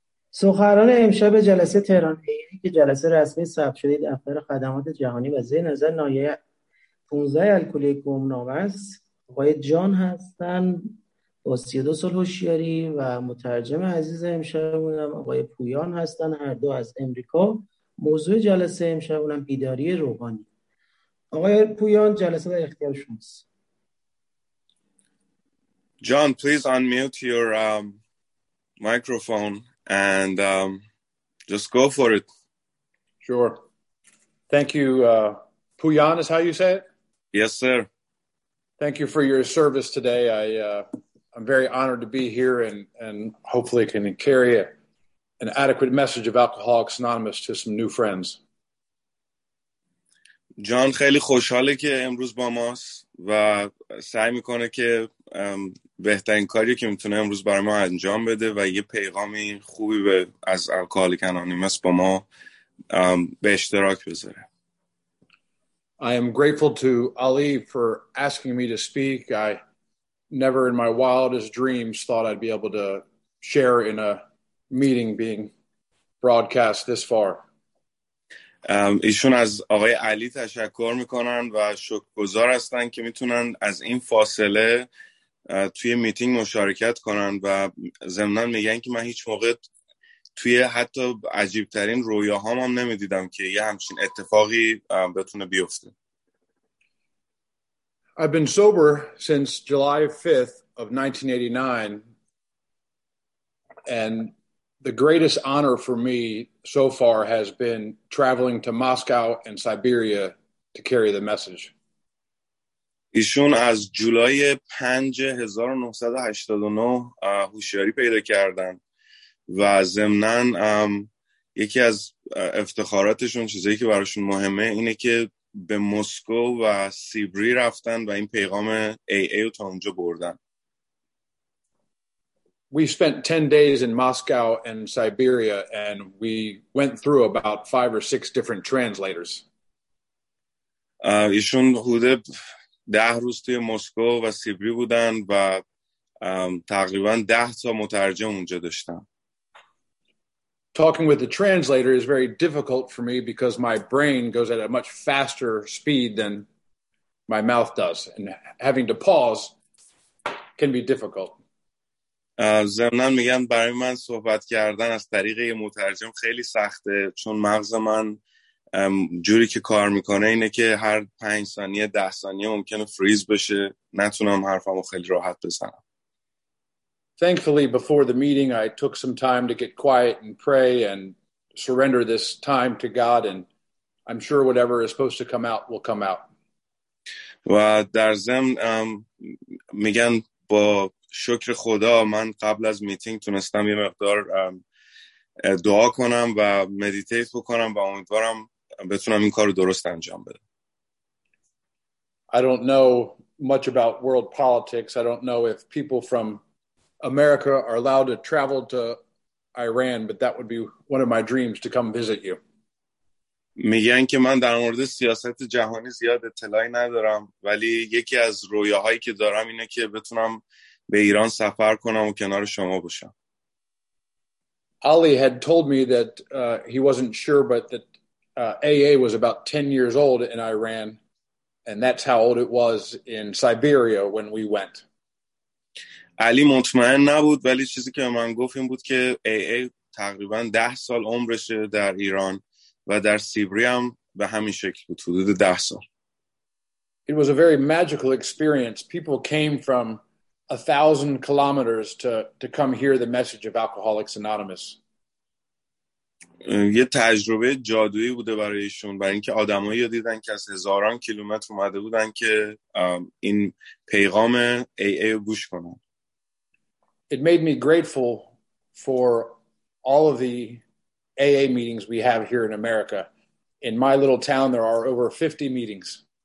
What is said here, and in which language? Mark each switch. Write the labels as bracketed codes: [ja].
[fa] سخنران امشب جلسه تهران عینی که جلسه رسمی ثبت شده دفتر خدمات جهانی و زیر نظر نایه 15 الکلی گمنامه است، آقای جان هستند با 32 سال هوشیاری و مترجم عزیز امشبمونم آقای پویان هستند، هر دو از امریکا. موضوع جلسه امشبمونم بیداری روحانی. آقای پویان، جلسه در اختیار شماست. [en] John, please unmute your microphone and just go for it. Sure. Thank you. Puyan is how you say it? Yes, sir. Thank you for your service today. I'm very honored to be here and hopefully can carry an adequate message of Alcoholics Anonymous to some new friends. [fa] جان خیلی خوشحاله که امروز با ماست و سعی میکنه که بهترین کاری که میتونه امروز برای ما انجام بده و یه پیغامی خوبی به از الکوهولیک انانیمس با ما به اشتراک بذاره. [en] I am grateful to Ali for asking me to speak. I never in my wildest dreams thought I'd be able to share in a meeting being broadcast this far. [fa] ایشون از آقای علی تشکر میکنن و شکرگزار هستن که میتونن از این فاصله توی میتینگ مشارکت کنن و ضمناً میگن که من هیچ موقع توی حتی عجیبترین رویاهام هم نمیدیدم که یه همچین اتفاقی بتونه بیفته. [en] I've been sober since July 5th of 1989 and the greatest honor for me so far has been traveling to Moscow and Siberia to carry the message. [fa] ایشون از جولای 5989 هوشیاری پیدا کردن و ضمناً یکی از افتخاراتشون، چیزی که براشون مهمه، اینه که به مسکو و سیبری رفتن و این پیغام AA رو تا اونجا بردن. [en] We spent 10 days in Moscow and Siberia and we went through about 5 or 6 different translators. [fa] ایشون حدود 10 روز توی مسکو و سیبری بودن و تقریبا 10 تا مترجم اونجا داشتن. [en] Talking with the translator is very difficult for me because my brain goes at a much faster speed than my mouth does and having to pause can be difficult. [fa] زمنان میگن برای من صحبت کردن از طریق یه مترجم خیلی سخته، چون مغز من جوری که کار میکنه اینه که هر 5 ثانیه 10 ثانیه ممکنه فریز بشه، نتونم حرفامو خیلی راحت بزنم. [en] Thankfully before the meeting I took some time to get quiet and pray and surrender this time to God and I'm sure whatever is supposed to come out will come out. [fa] و در ضمن میگن با شکر خدا من قبل از میتینگ تونستم یه مقدار دعا کنم و مدیتیت بکنم و امیدوارم بتونم این کار رو درست انجام بدم. [en] I don't know much about world politics. I don't know if people from America are allowed to travel to Iran, but that would be one of my dreams to come visit you. [fa] میگن که من در مورد سیاست جهانی زیاد اطلاعی ندارم، ولی یکی از رویاهایی که دارم اینه که بتونم به ایران سفر کنم و کنار شما باشم. [en] Ali had told me that he wasn't sure but that AA was about 10 years old in Iran and that's how old it was in Siberia when we went. [fa] علی مطمئن نبود، ولی چیزی که من گفت این بود که AA تقریبا 10 سال عمرشه در ایران و در سیبری هم به همین شکل بود، حدود 10 سال. [en] It was a very magical experience. People came from 1,000 kilometers to come hear the message of Alcoholics Anonymous. [fa] یه تجربه جادویی بوده برایشون، برای اینکه آدمایی رو دیدن که از هزاران کیلومتر اومده بودن که این پیغام AA رو گوش کنن. [en] It made me grateful for all of the AA meetings we have here in America. In my little town there are over 50 meetings.